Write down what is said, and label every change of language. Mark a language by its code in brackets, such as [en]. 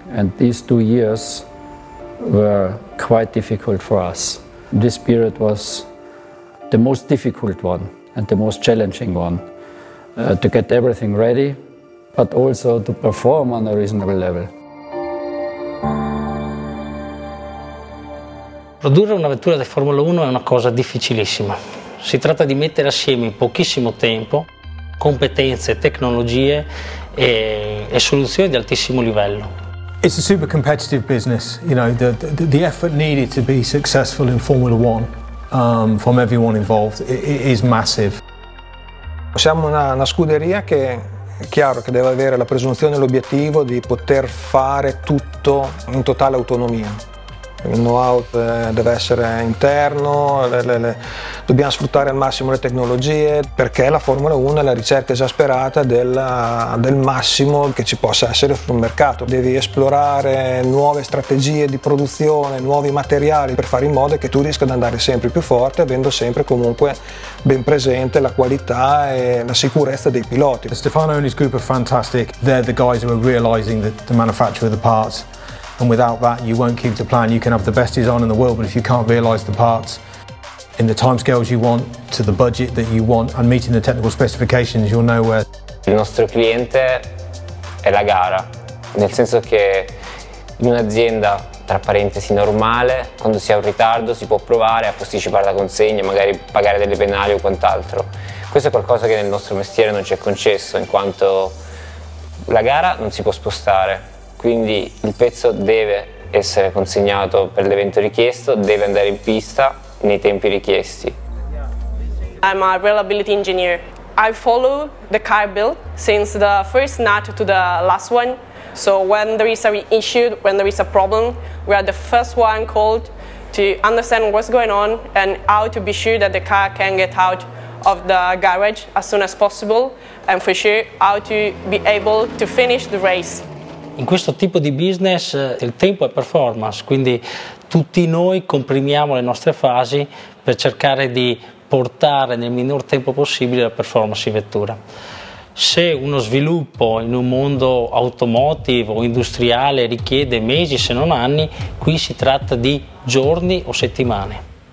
[en] And these 2 years were quite difficult for us. This period was the most difficult one and the most challenging one to get everything ready, but also to perform on a reasonable level. [it] Produrre una vettura da Formula 1 è una cosa difficilissima. Si tratta di mettere assieme in pochissimo tempo competenze, tecnologie e soluzioni di altissimo livello. [en] It's a super competitive business. You know, the effort needed to be successful in Formula 1 from everyone involved is massive. [it] Siamo una scuderia che è chiaro che deve avere la presunzione e l'obiettivo di poter fare tutto in totale autonomia. Il know-how deve essere interno, dobbiamo sfruttare al massimo le tecnologie, perché la Formula 1 è la ricerca esasperata del massimo che ci possa essere sul mercato. Devi esplorare nuove strategie di produzione, nuovi materiali per fare in modo che tu riesca ad andare sempre più forte, avendo sempre comunque ben presente la qualità e la sicurezza dei piloti. [en] Stefano and his group are fantastic. They're the guys who are realizing the manufacture of the parts. And without that, you won't keep the plan. You can have the best design in the world, but if you can't realize the parts in the timescales you want, to the budget that you want, and meeting the technical specifications, you're nowhere. [it] Il nostro cliente è la gara, nel senso che in un'azienda, tra parentesi, normale, quando si ha un ritardo si può provare a posticipare la consegna, magari pagare delle penali o quant'altro. Questo è qualcosa che nel nostro mestiere non ci è concesso, in quanto la gara non si può spostare. Quindi il pezzo deve essere consegnato per l'evento richiesto, deve andare in pista nei tempi richiesti. [en] I'm a reliability engineer. I follow the car build since the first nut to the last one. So when there is an issue, when there is a problem, we are the first one called to understand what's going on and how to be sure that the car can get out of the garage as soon as possible, and for sure how to be able to finish the race. [it] In questo tipo di business il tempo è performance, quindi tutti noi comprimiamo le nostre fasi per cercare di portare nel minor tempo possibile la performance in vettura. Se uno sviluppo in un mondo automotive o industriale richiede mesi se non anni, qui si tratta di giorni o settimane.